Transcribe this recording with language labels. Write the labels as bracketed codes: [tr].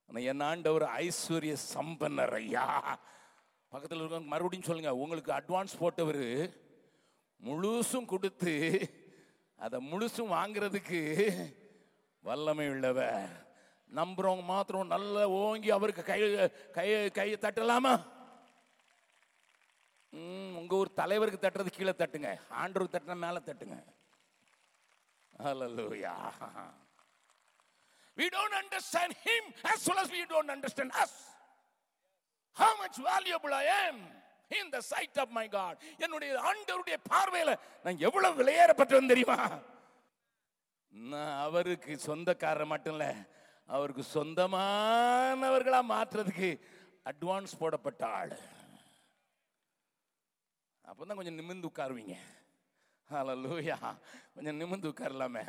[ta] என் ஆண்டவர் ஐஸ்வர்ய சம்பன்னர் ஐயா. பக்கத்தில் இருக்கவங்க மறுபடியும் சொல்லுங்க, உங்களுக்கு அட்வான்ஸ் போட்டவர் முழுசும் கொடுத்து அதை முழுசும் வாங்கிறதுக்கு வல்லமை உள்ளவர். நம்புறவங்க மாத்திரம் நல்லா ஓங்கி அவருக்கு கையை தட்டலாமா? உங்கள் ஊர் தலைவருக்கு தட்டுறது கீழே தட்டுங்க, ஆண்டவருக்கு தட்டின மேலே தட்டுங்க. ஹல்லேலூயா. [en] We don't understand him as well as we don't understand us. How much valuable I am in the sight of my God. [ta] என்னுடைய ஆண்டவருடைய பார்வையில் நான் எவ்வளவு விலையேறப்பட்டவன் தெரியுமா? நான் அவருக்கு சொந்தக்காரர் மட்டும் இல்லை, அவருக்கு சொந்தமானவர்களாக மாற்றுறதுக்கு அட்வான்ஸ் போடப்பட்ட ஆள். அப்போ தான் கொஞ்சம் நிமிந்து உட்காருவீங்க. ஹல்லேலூயா. கொஞ்சம் நிமிந்து உட்காரலாமே.